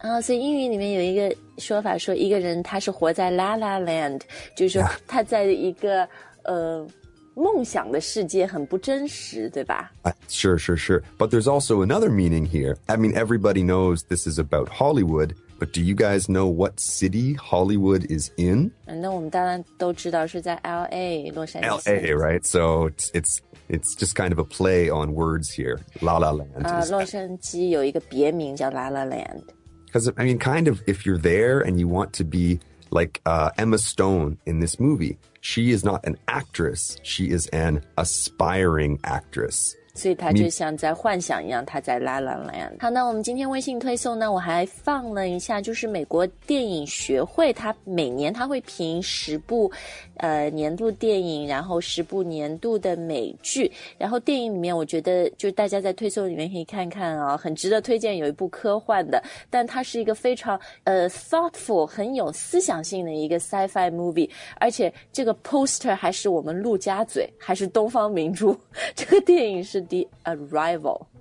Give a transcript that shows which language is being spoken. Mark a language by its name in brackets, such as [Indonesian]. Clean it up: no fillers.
[Chinese] So 英语里面有一个说法说一个人他是活在 La La Land, 就是说他在一个、梦想的世界很不真实对吧 [English] sure. But there's also another meaning here. I mean, everybody knows this is about Hollywood, but do you guys know what city Hollywood is in? [Chinese] 那我们当然都知道是在 LA, 洛杉矶。 [English] LA, right? So it's just kind of a play on words here. La La Land. [Chinese] 洛杉矶有一个别名叫 La La Land. [English] Because, I mean, kind of, if you're there and you want to be... Like、Emma Stone in this movie, she is not an actress, she is an aspiring actress. [Chinese] 所以她就像在幻想一样她在 La La Land. 好那我们今天微信推送呢我还放了一下就是美国电影学会它每年它会评十部、年度电影然后十部年度的美剧。然后电影里面我觉得就大家在推送里面可以看看啊、很值得推荐有一部科幻的但它是一个非常thoughtful, 很有思想性的一个 sci-fi movie, 而且这个 poster 还是我们陆家嘴还是东方明珠这个电影是The Arrival